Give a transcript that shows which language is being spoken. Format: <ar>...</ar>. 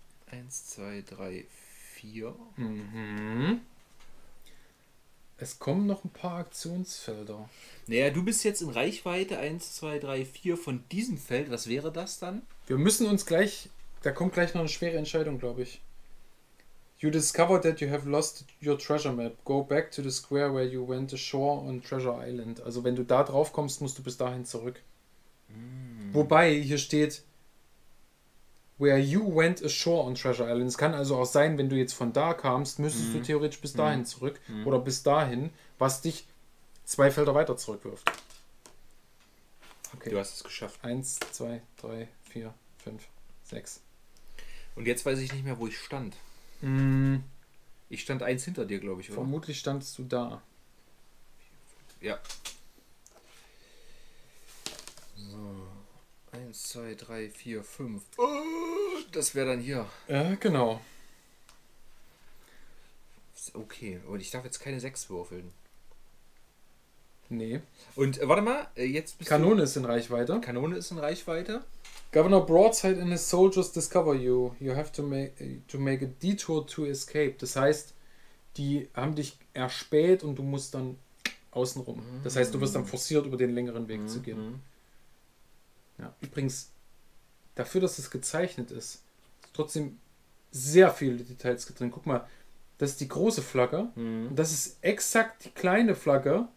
<de>1, 2, 3, 4. Es kommen noch ein paar Aktionsfelder. Naja, du bist jetzt in Reichweite 1, 2, 3, 4 von diesem Feld. Was wäre das dann? Wir müssen uns gleich. Da kommt gleich noch eine schwere Entscheidung, glaube ich.</de> <en>You discovered that you have lost your treasure map. Go back to the square where you went ashore on Treasure Island.</en> <de>Also wenn du da drauf kommst, musst du bis dahin zurück. Mm. Wobei, hier steht</de> <en>where you went ashore on Treasure Island.</en> <de>Es kann also auch sein, wenn du jetzt von da kamst, müsstest du theoretisch bis dahin zurück. Mm. Oder bis dahin, was dich zwei Felder weiter zurückwirft. Okay. Du hast es geschafft. 1, 2, 3, 4, 5, 6. Und jetzt weiß ich nicht mehr, wo ich stand. Ich stand eins hinter dir, glaube ich, oder? Vermutlich standst du da. Ja. So. 1, 2, 3, 4, 5. Das wäre dann hier. Ja, genau. Okay, und ich darf jetzt keine 6 würfeln. Nee. Und warte mal, jetzt bist Kanone du... ist in Reichweite. Kanone ist in Reichweite.</de> <en>Governor Broadside and his soldiers discover you. You have to make a detour to escape.</en> <de>Das heißt, die haben dich erspäht und du musst dann außenrum. Das heißt, du wirst dann forciert, über den längeren Weg zu gehen. Ja, übrigens, dafür, dass es gezeichnet ist, ist trotzdem sehr viele Details drin. Guck mal, das ist die große Flagge. Und das ist exakt die kleine Flagge.</de>